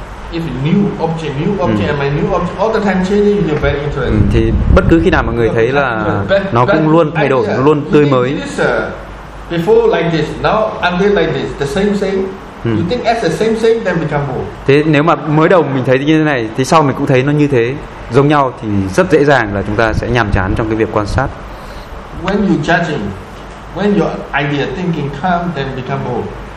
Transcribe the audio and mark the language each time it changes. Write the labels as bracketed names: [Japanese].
[English] If new object, all the time changing, you're very interested. [Vietnamese] Thì bất cứ khi nào mọi người thấy là nó cũng luôn thay đổi, nó luôn tươi mới. [English] Before like this, now until like this, the same thing. You think as the same thing, then become more. [Vietnamese] Thế nếu mà mới đầu mình thấy như thế này, thì sau mình cũng thấy nó như thế, giống nhau, thì rất dễ dàng là chúng ta sẽ nhàm chán trong cái việc quan sát. [English] When you judging, when your idea thinking come, then become more.